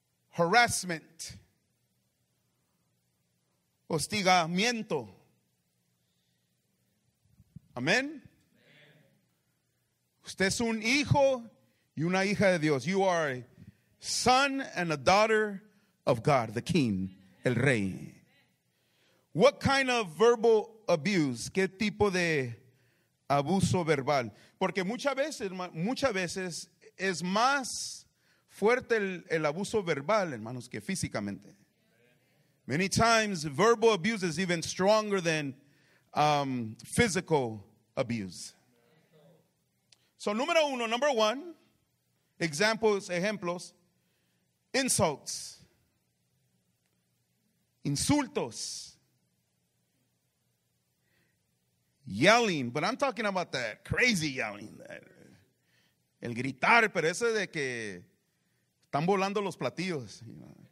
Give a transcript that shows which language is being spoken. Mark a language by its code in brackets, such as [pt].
[en] Harassment. [es] Hostigamiento. Amen. Usted es un hijo y una hija de Dios. [en] You are a son and a daughter of God, the King, [es] el Rey. [en] What kind of verbal abuse? [es] ¿Qué tipo de abuso verbal? Porque muchas veces es más fuerte el abuso verbal, hermanos, que físicamente. [en] Many times, verbal abuse is even stronger than physical abuse. So [es] número uno, [en] number one, examples, ejemplos, insults, insultos, yelling, but I'm talking about that crazy yelling, [es] el gritar, pero ese de que están volando los platillos, [en] you know.